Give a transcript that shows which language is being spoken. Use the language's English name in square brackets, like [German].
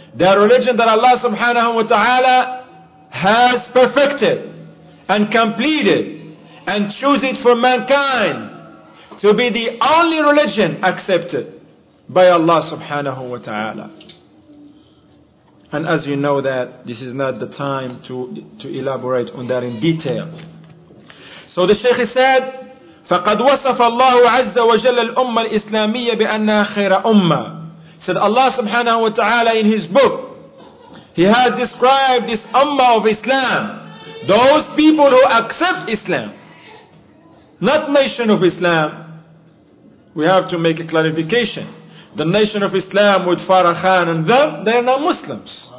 [English] The religion that Allah subhanahu wa ta'ala has perfected and completed and chose it for mankind to be the only religion accepted by Allah subhanahu wa ta'ala. And as you know that, this is not the time to elaborate on that in detail. So the Shaykh said, [Arabic] فَقَدْ وَصَفَ اللَّهُ عَزَّ وَجَلَّ الْأُمَّ الْإِسْلَامِيَّ بِأَنَّهَا خَيْرَ أُمَّةٍ. [English] said Allah subhanahu wa ta'ala in his book, he has described this Ummah of Islam, those people who accept Islam, not nation of Islam. We have to make a clarification. The nation of Islam with Farah Khan and them, they are not Muslims.